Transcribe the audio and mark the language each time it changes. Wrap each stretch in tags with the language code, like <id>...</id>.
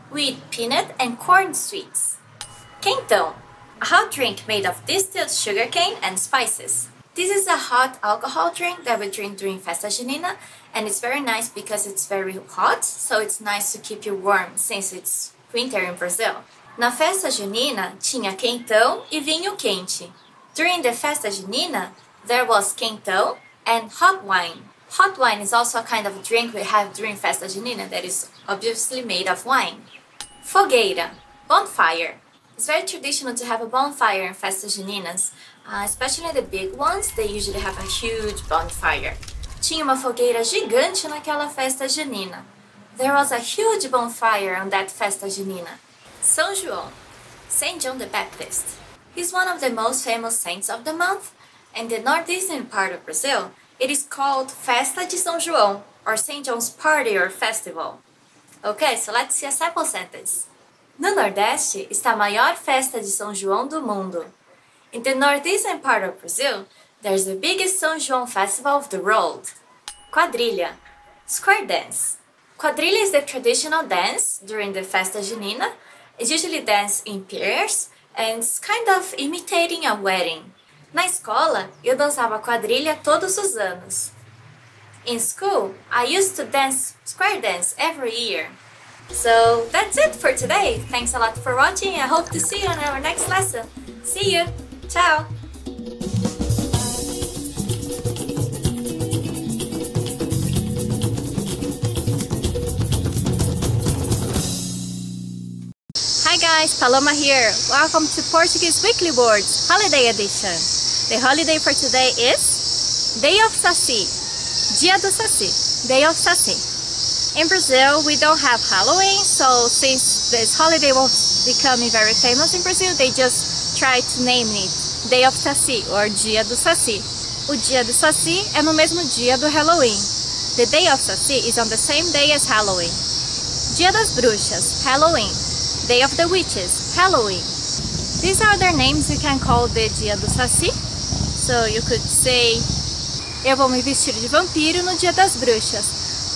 <en>We eat peanut and corn sweets. Quentão, a hot drink made of distilled sugarcane and spices. This is a hot alcohol drink that we drink during Festa Junina, and it's very nice because it's very hot, so it's nice to keep you warm since it's winter in Brazil.</en> <pt>Na Festa Junina, tinha quentão e vinho quente.</pt> <en>During the Festa Junina, there was quentão and hot wine. Hot wine is also a kind of drink we have during Festa Junina that is obviously made of wine. Fogueira, bonfire. It's very traditional to have a bonfire in Festa Juninas, especially the big ones, they usually have a huge bonfire.</en> <pt>Tinha uma fogueira gigante naquela Festa Junina.</pt> <en>There was a huge bonfire on that Festa Junina. São João, Saint John the Baptist. He's one of the most famous saints of the month. In the northeastern part of Brazil, it is called Festa de São João, or Saint John's Party or Festival. Okay, so let's see a sample sentence.</en> <pt>No Nordeste está a maior festa de São João do mundo.</pt> <en>In the northeastern part of Brazil, there's the biggest São João festival of the world. Quadrilha, square dance. Quadrilha is the traditional dance during the Festa Junina. It's usually danced in pairs and it's kind of imitating a wedding.</en> <pt>Na escola, eu dançava quadrilha todos os anos.</pt> <en>In school, I used to dance square dance every year. So that's it for today. Thanks a lot for watching. I hope to see you on our next lesson. See you. Ciao. Hi guys, Paloma here. Welcome to Portuguese Weekly Words, Holiday Edition. The holiday for today is Day of Saci. Dia do Saci. Day of Saci. In Brazil, we don't have Halloween, so since this holiday was becoming very famous in Brazil, they just tried to name it Day of Saci or Dia do Saci.</en> <pt>O Dia do Saci é no mesmo dia do Halloween.</pt> <en>The Day of Saci is on the same day as Halloween. Dia das Bruxas, Halloween. Day of the Witches, Halloween. These are their names you can call the Dia do Saci. So you could say,</en> <pt>eu vou me vestir de vampiro no Dia das Bruxas.</pt>